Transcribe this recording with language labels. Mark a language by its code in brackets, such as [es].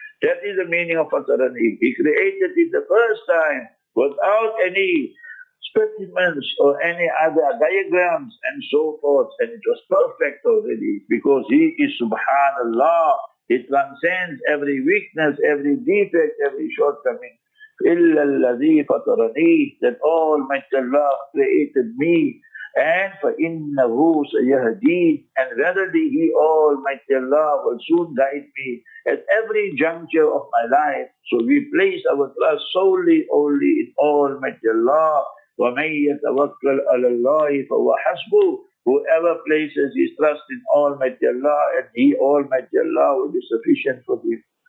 [en] That is the meaning of Fatarani. He created it the first time without any specimens or any other diagrams and so forth. And it was perfect already because he is Subhanallah. It transcends every weakness, every defect, every shortcoming. [ar] إِلَّا الَّذِي فَطَرَنِي. [en] That Almighty Allah created me. [ar] And فَإِنَّهُ سَيَهْدِينَ. [en] And verily He Almighty Allah will soon guide me at every juncture of my life. So we place our trust solely, only in Almighty Allah. [ar] وَمَنْ يَتَوَكَّلْ عَلَى اللَّهِ فَهُوَ حَسْبُهُ. [en] Whoever places his trust in Almighty Allah, and he, Almighty Allah, will be sufficient for him.